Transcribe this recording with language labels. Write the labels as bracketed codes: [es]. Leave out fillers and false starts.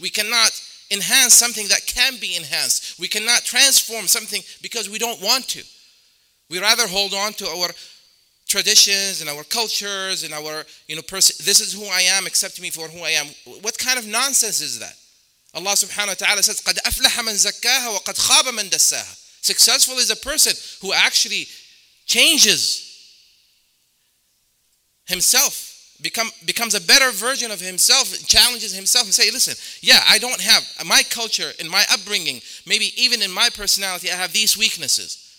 [en] We cannot enhance something that can be enhanced. We cannot transform something because we don't want to. We rather hold on to our traditions and our cultures and our, you know, this is who I am, accept me for who I am. What kind of nonsense is that? [ar] Allah subhanahu wa ta'ala [en] says, [ar] قَدْ أَفْلَحَ مَنْ زَكَّاهَا وَقَدْ خَابَ مَنْ دَسَّاهَا. [en] Successful is a person who actually changes himself. Becomes a better version of himself, challenges himself and say, listen, yeah, I don't have my culture and my upbringing, maybe even in my personality, I have these weaknesses.